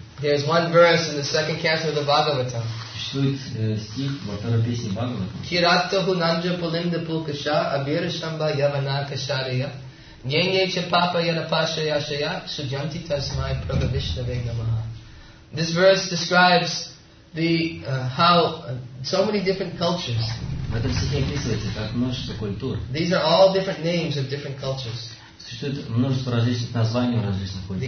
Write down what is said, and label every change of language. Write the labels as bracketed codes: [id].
[en] There's one verse in the second canto of the Bhagavatam. [ru] Существует стих во второй песне Бхагаватам. [sa] Кирато хунанджа пулинда пулкаша абирашамба явана кашария нянье че папа яна паша яшая суджанти тасмай прагавишнаве намаха. [en] This verse describes how so many different cultures. [ru] В этом стихе описывается как множество культур. [en] These are all different names of different cultures. [ru] Существует множество различных названий различных культур.